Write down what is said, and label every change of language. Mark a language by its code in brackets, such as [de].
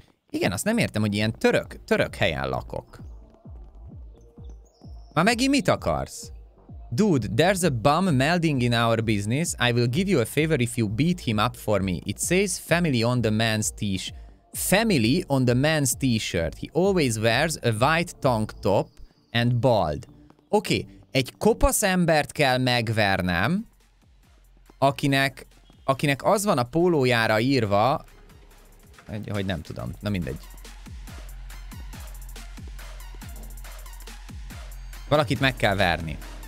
[hu] Igen, azt nem értem, hogy ilyen török helyen lakok. Már megint mit akarsz? [en] Dude, there's a bum melding in our business. I will give you a favor if you beat him up for me. It says family on the man's t-shirt. Family on the man's t-shirt. He always wears a white tank top and bald. [hu] Oké, egy kopasz embert kell megvernem, akinek az van a pólójára írva, hogy nem tudom, na mindegy. Valakit meg kell verni.